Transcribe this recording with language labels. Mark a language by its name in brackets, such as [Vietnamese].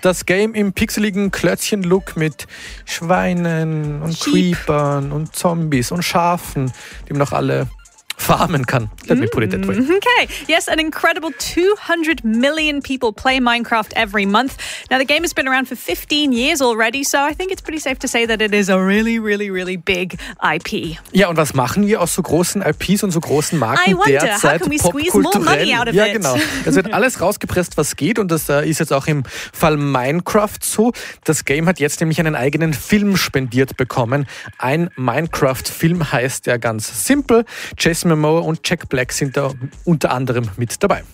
[German] Das Game im pixeligen Klötzchen-Look mit Schweinen und Creepern und Zombies und Schafen, die man auch alle farmen kann. [English] Let me put it that way. Okay. Yes, an incredible 200 million people play Minecraft every month. Now, the game has been around for 15 years already, so I think it's pretty safe to say that it is a really, really, really big IP. [German] Ja, und was machen wir aus so großen IPs und so großen Marken derzeit popkulturell? Ja, genau. Es wird alles rausgepresst, was geht, und das ist jetzt auch im Fall Minecraft so. Das Game hat jetzt nämlich einen eigenen Film spendiert bekommen. Ein Minecraft-Film heißt ja ganz simpel. Jason Momoa und Jack Black sind da unter anderem mit dabei.